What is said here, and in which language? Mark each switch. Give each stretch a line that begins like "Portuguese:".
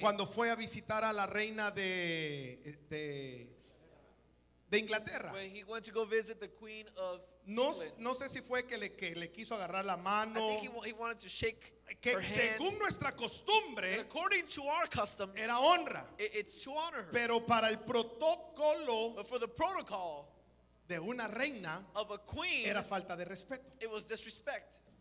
Spanish: Cuando fue a visitar a la reina de Inglaterra.
English: When he went to go visit the queen of
Spanish: no, no sé si fue que le quiso agarrar la mano.
English: I think he wanted to shake her hand.
Spanish: Que según nuestra costumbre,
English: and according to our customs,
Spanish: era honra.
English: It's to honor her.
Spanish: Pero para el protocolo,
English: but for the protocol,
Spanish: de una reina,
English: of a queen,
Spanish: era falta de respeto.
English: It was disrespect.